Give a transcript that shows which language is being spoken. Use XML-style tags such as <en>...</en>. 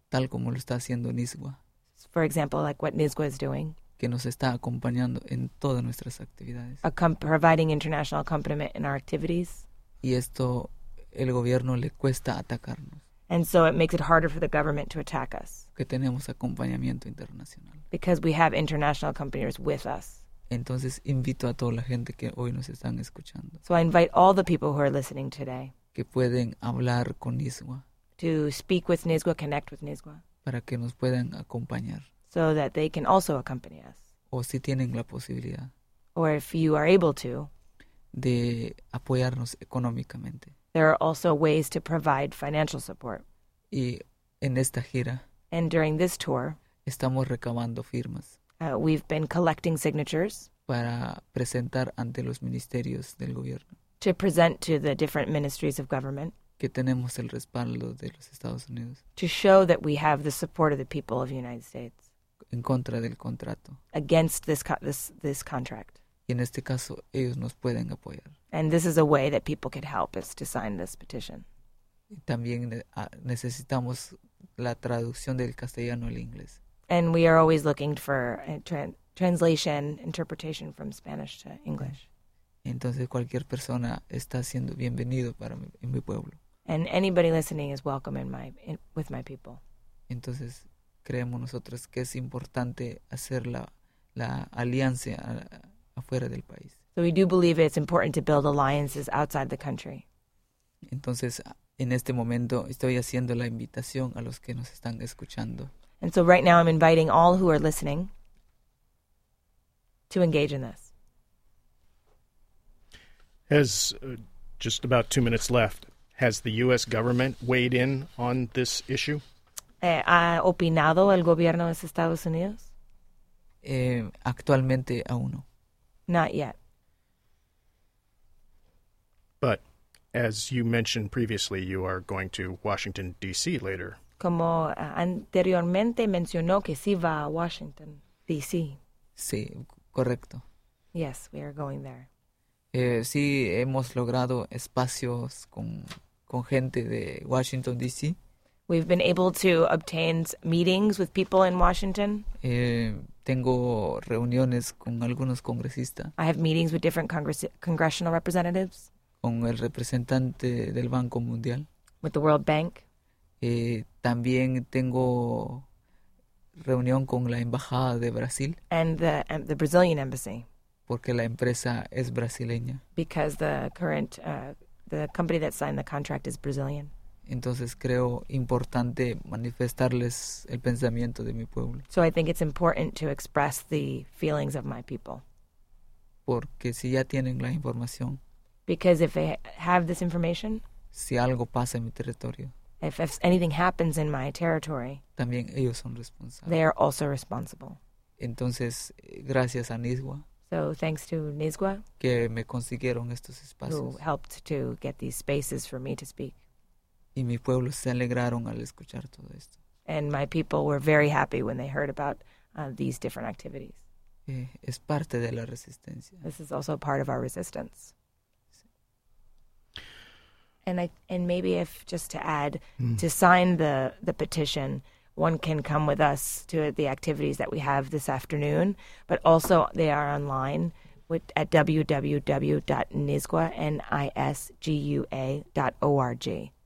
<es>Tal como lo está haciendo NISGUA.</es> <en>For example, like what NISGUA is doing.</en> <es>Que nos está acompañando en todas nuestras actividades.</es> <en>Providing international accompaniment in our activities.</en> <es>Y esto el gobierno le cuesta atacarnos.</es> <en>And so it makes it harder for the government to attack us.</en> <es>Que tenemos acompañamiento internacional.</es> <en>Because we have international companies with us.</en> <es>Entonces invito a toda la gente que hoy nos están escuchando.</es> <en>So I invite all the people who are listening today.</en> <es>Que pueden hablar con NISWA.</es> <en>To speak with NISWA, connect with NISWA.</en> <es>Para que nos puedan acompañar.</es> <en>So that they can also accompany us.</en> <es>O si tienen la posibilidad.</es> <en>Or if you are able to.</en> <es>De apoyarnos económicamente.</es> <en>There are also ways to provide financial support.</en> <es>Y en esta gira.</es> <en>And during this tour.</en> <es>Estamos recabando firmas.</es> <en>We've been collecting signatures.</en> <es>Para presentar ante los ministerios del gobierno.</es> <en>To present to the different ministries of government.</en> <es>Que tenemos el respaldo de los Estados Unidos.</es> <en>To show that we have the support of the people of the United States.</en> <es>En contra del contrato.</es> <en>Against this contract.</en> <es>Y en este caso, ellos nos pueden apoyar.</es> <en>And this is a way that people could help us to sign this petition.</en> <es>Y también necesitamos la traducción del castellano al inglés.</es> <en>And we are always looking for translation, interpretation from Spanish to English.</en> <es>Entonces cualquier persona está siendo bienvenido para en mi pueblo.</es> <en>And anybody listening is welcome with my people.</en> <es>Entonces creemos nosotros que es importante hacer la alianza afuera del país.</es> <en>So we do believe it's important to build alliances outside the country.</en> <es>Entonces en este momento estoy haciendo la invitación a los que nos están escuchando.</es> <en>And so right now I'm inviting all who are listening to engage in this. Has just about 2 minutes left. Has the U.S. government weighed in on this issue?</en> <es>¿Ha opinado el gobierno de Estados Unidos? Actualmente aún no.</es> <en>Not yet. But as you mentioned previously, you are going to Washington, D.C. later.</en> <es>Como anteriormente mencionó que sí va a Washington, D.C. Sí, correcto.</es> <en>Yes, we are going there.</en> <es>Sí, hemos logrado espacios con gente de Washington, D.C.</es> <en>We've been able to obtain meetings with people in Washington.</en> <es>Tengo reuniones con algunos congresistas.</es> <en>I have meetings with different congressional representatives.</en> <es>Con el representante del Banco Mundial.</es> <en>With the World Bank.</en> <es>También tengo reunión con la embajada de Brasil.</es> <en>And the Brazilian embassy.</en> <es>Porque la empresa es brasileña.</es> <en>Because the current the company that signed the contract is Brazilian.</en> <es>Entonces creo importante manifestarles el pensamiento de mi pueblo.</es> <en>So I think it's important to express the feelings of my people.</en> <es>Porque si ya tienen la información.</es> <en>Because if they have this information.</en> <es>Si algo pasa en mi territorio.</es> <en>If anything happens in my territory,</en> <es>también ellos son responsables.</es> <en>They are also responsible.</en> <es>Entonces, gracias a NISWA.</es> <en>So thanks to NISWA.</en> <es>Que me consiguieron estos espacios.</es> <en>Who helped to get these spaces for me to speak.</en> <es>Y mi pueblo se alegraron al escuchar todo esto.</es> <en>And my people were very happy when they heard about these different activities.</en> <es>Es parte de la resistencia.</es> <en>This is also part of our resistance. And maybe if just to add, to sign the petition, one can come with us to the activities that we have this afternoon, but also they are online at www.nisgua.org.</en>